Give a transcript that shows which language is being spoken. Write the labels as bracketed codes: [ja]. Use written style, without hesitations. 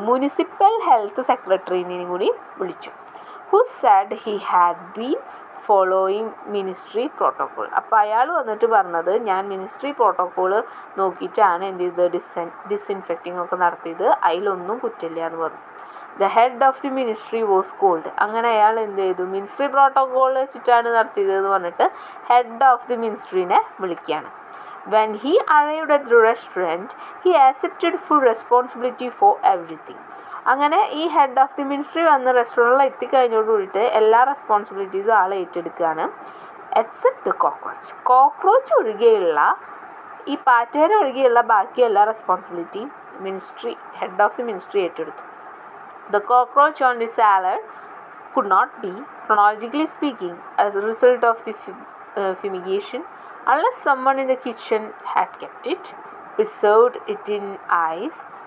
[ml] Municipal health സെക്രട്ടറിനെയും കൂടി വിളിച്ചു. [en] Who said he had been following ministry protocol. [ml] അപ്പോൾ അയാൾ വന്നിട്ട് പറഞ്ഞത്, ഞാൻ മിനിസ്ട്രി പ്രോട്ടോക്കോൾ നോക്കിയിട്ടാണ് എന്ത് ചെയ്തത്, ഡിസ്ഇൻഫെക്റ്റിംഗ് ഒക്കെ നടത്തിയത്, അതിലൊന്നും കുറ്റമില്ല എന്ന് പറഞ്ഞു. [en] The head of the ministry was called. [ml] അങ്ങനെ അയാൾ എന്ത് ചെയ്തു, മിനിസ്ട്രി പ്രോട്ടോക്കോൾ വെച്ചിട്ടാണ് നടത്തിയതെന്ന് പറഞ്ഞിട്ട് ഹെഡ് ഓഫ് ദി മിനിസ്ട്രീനെ വിളിക്കുകയാണ്. [en] When he arrived at the restaurant he accepted full responsibility for everything. [ml] അങ്ങനെ ഈ ഹെഡ് ഓഫ് ദി മിനിസ്ട്രി വന്ന് റെസ്റ്റോറൻറ്റിൽ എത്തിക്കഴിഞ്ഞോടുകൂടിയിട്ട് എല്ലാ റെസ്പോൺസിബിലിറ്റീസും ആൾ ഏറ്റെടുക്കുകയാണ്, [en] Except the cockroach. [ml] കോക്ക്രോച്ച് ഒഴികെയുള്ള ഈ പാറ്റേനെ ഒഴികെയുള്ള ബാക്കി എല്ലാ റെസ്പോൺസിബിലിറ്റിയും ministry, head of the ministry ഏറ്റെടുത്തു. [en] The cockroach on the salad could not be, chronologically speaking, as a result of the fumigation, unless someone in the kitchen had kept it, preserved it in ice,